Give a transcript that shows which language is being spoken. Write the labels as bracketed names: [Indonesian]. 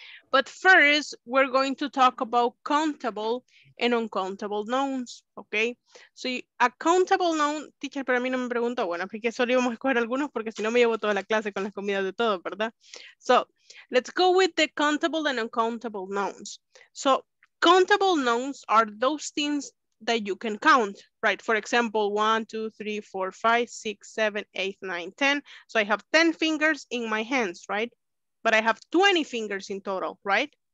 [English] But first, we're going to talk about countable and uncountable nouns, okay? So a countable noun, teacher, [Spanish] pero a mí no me preguntó, bueno, porque solo íbamos a escoger algunos porque si no me llevo toda la clase con las comidas de todo, ¿verdad? [English] So, let's go with the countable and uncountable nouns. So, countable nouns are those things that you can count, right? For example, 1, 2, 3, 4, 5, 6, 7, 8, 9, 10. So I have 10 fingers in my hands, right? But I have 20 fingers in total, right?